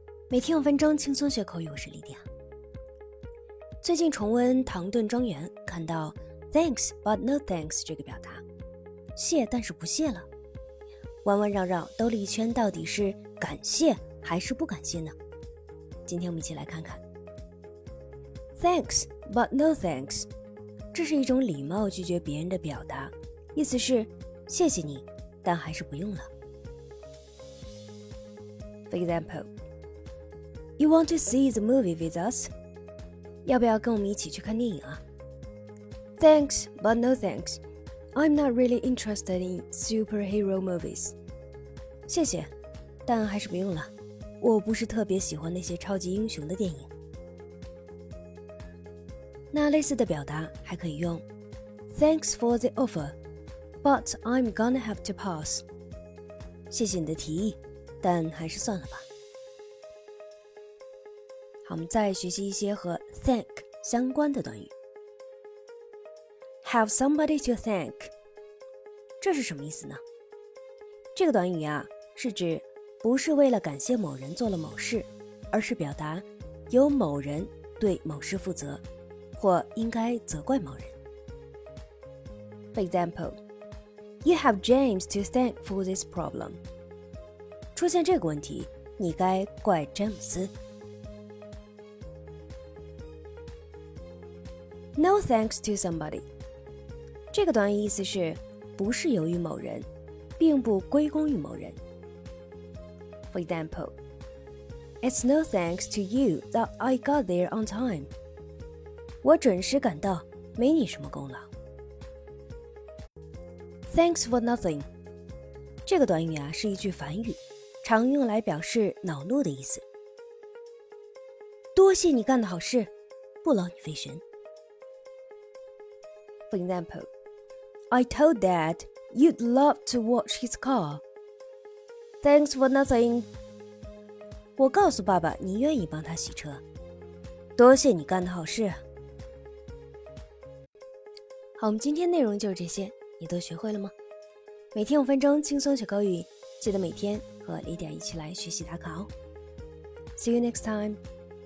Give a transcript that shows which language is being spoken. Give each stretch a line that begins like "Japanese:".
Chinese: 每天五分钟轻松学口语，我是莉迪亚。最近重温《唐顿庄园》，看到
English: thanks but no thanks
Chinese: 这个表达，谢但是不谢了，弯弯绕绕兜了一圈，到底是感谢还是不感谢呢？今天我们一起来看看
English: thanks but no thanks，
Chinese: 这是一种礼貌拒绝别人的表达，意思是谢谢你，但还是不用了。
English: For example,You want to see the movie with us?
Chinese: 要不要跟我们一起去看电影啊？
English: Thanks, but no thanks. I'm not really interested in superhero movies.
Chinese: 谢谢，但还是不用了。我不是特别喜欢那些超级英雄的电影。那类似的表达还可以用
English: Thanks for the offer, but I'm gonna have to pass.
Chinese: 谢谢你的提议，但还是算了吧。好，我们再学习一些和 thank 相关的短语。
English: Have somebody to thank，
Chinese: 这是什么意思呢？这个短语啊，是指不是为了感谢某人做了某事，而是表达由某人对某事负责，或应该责怪某人。
English: For example, you have James to thank for this problem.
Chinese: 出现这个问题，你该怪詹姆斯。
English: No thanks to somebody.
Chinese: 这个短语意思是不是由于某人，并不归功于某人。
English: For example, It's no thanks to you that I got there on time.
Chinese: 我准时赶到，没你什么功劳。
English: Thanks for nothing.
Chinese: 这个短语啊是一句反语，常用来表示恼怒的意思。多谢你干的好事，不劳你费神。
English: For example, I told Dad you'd love to watch his car. Thanks for nothing.
Chinese: 我告诉爸爸你愿意帮他洗车，多谢你干的好事。好，我们今天内容就是这些，你都学会了吗？每天五分钟轻松学口语，记得每天和Lydia一起来学习打卡哦。
English: See you next time.